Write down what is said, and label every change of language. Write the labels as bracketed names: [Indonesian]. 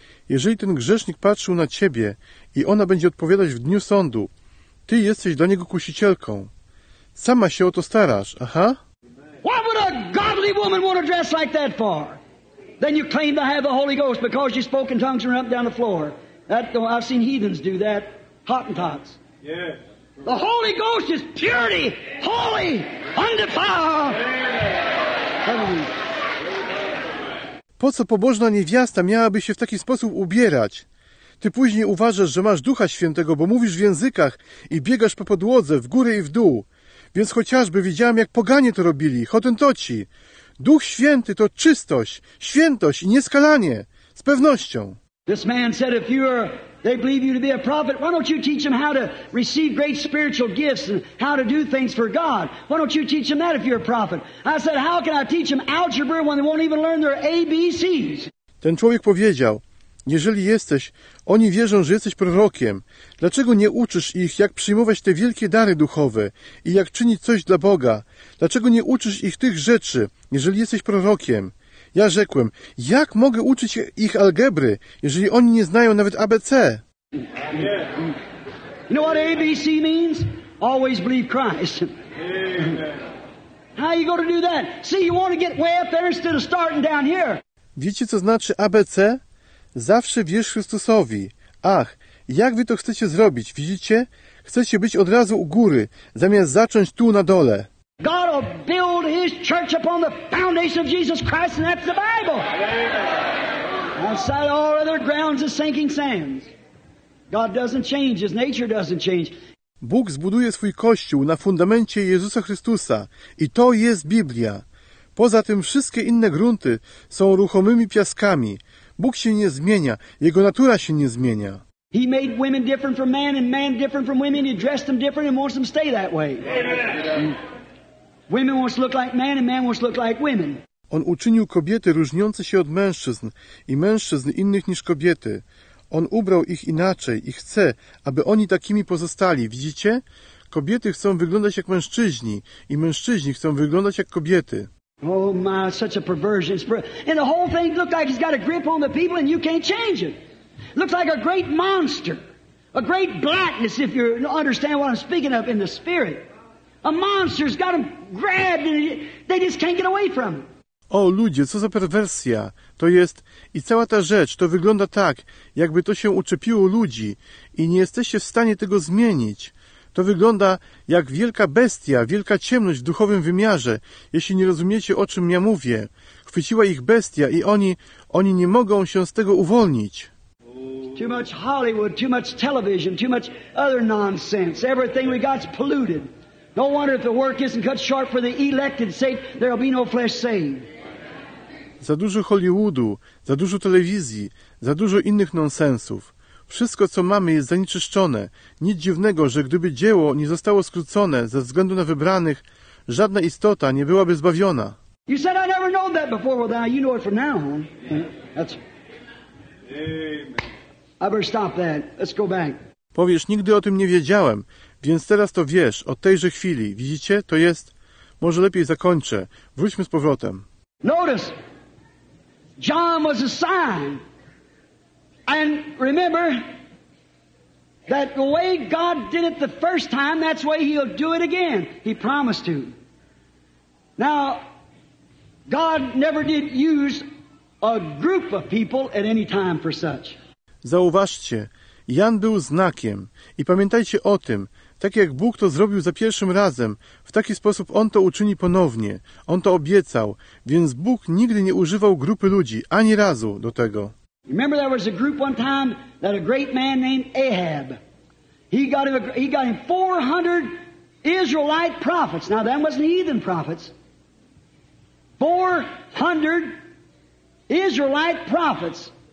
[Polish] Jeżeli ten grzesznik patrzył na ciebie i ona będzie odpowiadać w dniu sądu, ty jesteś dla niego kusicielką. Sama się o to starasz, aha? [English] What would a godly woman want to dress like that for? Then you claim to have the Holy Ghost because you spoke in tongues and ran up down the floor. I've seen heathens do that, Hottentots. Yes. The Holy Ghost is purity, holy, undefiled. [Polish] Po co pobożna niewiasta miałaby się w taki sposób ubierać? Ty później uważasz, że masz Ducha Świętego, bo mówisz w językach i biegasz po podłodze, w górę i w dół. Więc chociażby widziałem, jak poganie to robili, hotentoci. Duch Święty to czystość, świętość i nieskalanie. Z pewnością. [English] This man said if you are... They believe you to be a prophet. Why don't you teach them how to receive great spiritual gifts and how to do things for God? Why don't you teach them that if you're a prophet? I said, how can I teach them algebra when they won't even learn their ABCs? [Polish] Ten człowiek powiedział, jeżeli jesteś, oni wierzą, że jesteś prorokiem. Dlaczego nie uczysz ich, jak przyjmować te wielkie dary duchowe i jak czynić coś dla Boga? Dlaczego nie uczysz ich tych rzeczy, jeżeli jesteś prorokiem? Ja rzekłem, jak mogę uczyć ich algebry, jeżeli oni nie znają nawet ABC? [English] You know what ABC means? Always believe Christ. How you gonna do that? See, you want to get way up there instead of starting down here. [Polish] Wiecie, co znaczy ABC? Zawsze wierz Chrystusowi. Ach, jak wy to chcecie zrobić, widzicie? Chcecie być od razu u góry, zamiast zacząć tu na dole. [English] God will build his church upon the foundation of Jesus Christ, and that's the Bible. Outside all other grounds is sinking sands. God doesn't change, his nature doesn't change. [Polish] Bóg zbuduje swój kościół na fundamencie Jezusa Chrystusa i to jest Biblia. Poza tym wszystkie inne grunty są ruchomymi piaskami. Bóg się nie zmienia, jego natura się nie zmienia. [English] He made women different from man and man different from women. He dressed them different and wants them to stay that way. Amen. Women wants to look like man and man wants to look like women. [Polish] On uczynił kobiety różniące się od mężczyzn i mężczyzn innych niż kobiety. On ubrał ich inaczej i chce, aby oni takimi pozostali. Widzicie? Kobiety chcą wyglądać jak mężczyźni i mężczyźni chcą wyglądać jak kobiety. [English] Oh my, such a perversion. And the whole thing looked like he's got a grip on the people and you can't change it. Looks like a great monster. A great blackness, if you understand what I'm speaking of in the spirit. A monster's got him grabbed and they just can't get away from him. [Polish] O ludzie, co za perwersja. To jest, i cała ta rzecz, to wygląda tak, jakby to się uczepiło ludzi i nie jesteście w stanie tego zmienić. To wygląda jak wielka bestia, wielka ciemność w duchowym wymiarze, jeśli nie rozumiecie, o czym ja mówię. Chwyciła ich bestia i oni nie mogą się z tego uwolnić. [English] Too much Hollywood, too much television, too much other nonsense. Everything we got's polluted. No wonder if the work isn't cut short for the elected sake, there'll be no flesh saved. [Polish] Za dużo Hollywoodu, za dużo telewizji, za dużo innych nonsensów. Wszystko, co mamy, jest zanieczyszczone. Nic dziwnego, że gdyby dzieło nie zostało skrócone ze względu na wybranych, żadna istota nie byłaby zbawiona. [English] You said I never known that before. Well, now you know it from now on. That's... Amen. I better stop that. Let's go back. [Polish] Powiesz, nigdy o tym nie wiedziałem, więc teraz to wiesz, od tejże chwili. Widzicie? To jest... Może lepiej zakończę. Wróćmy z powrotem. [English] Notice! John was a sign. And remember that the way God did it the first time, that's the way he'll do it again. He promised to. Now, God never did use a group of people at any time for such. [Polish] Zauważcie, Jan był znakiem. I pamiętajcie o tym, tak jak Bóg to zrobił za pierwszym razem, w taki sposób On to uczyni ponownie. On to obiecał, więc Bóg nigdy nie używał grupy ludzi, ani razu do tego. [English] Remember there was a group one time that a great man named Ahab, he got him 400 Israelite prophets. Now that wasn't heathen prophets. 400 Israelite prophets.